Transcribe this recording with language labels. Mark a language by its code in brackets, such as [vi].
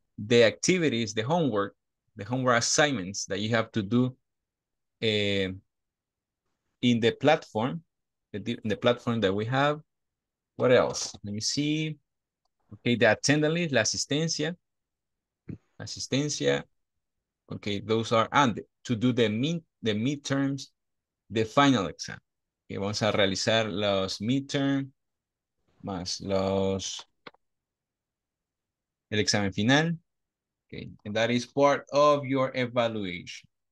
[en] The activities, the homework assignments that you have to do in the platform, the platform that we have. What else? Let me see. Okay, the attendance, [es] la asistencia. Asistencia. [en] Okay, those are, and to do the midterms, the final exam. [es] Okay, vamos a realizar los midterms más los, el examen final. [en] Okay, and that is part of your evaluation.